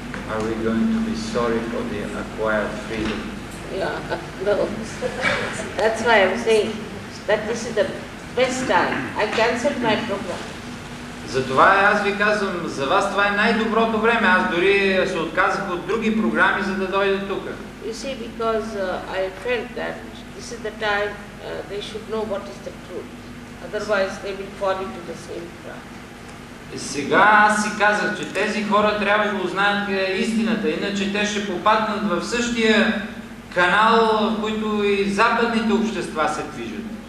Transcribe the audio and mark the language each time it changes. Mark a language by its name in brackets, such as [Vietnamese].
[English] Are we going to be sorry for the acquired freedom? Yeah, no. That's why I'm saying that this is the best time. I canceled my program. [Bulgarian] Затова аз ви казвам, за вас това е най-доброто време. Аз дори се отказах от други програми, за да дойда тук. [English] You see, because I felt that this is the time they should know what is the truth. Otherwise, they will fall into the same trap. [Bulgarian] Сега аз си казах, че тези хора трябва да узнаят истината, иначе те ще попаднат в същия канал, в който и западните общества се движат.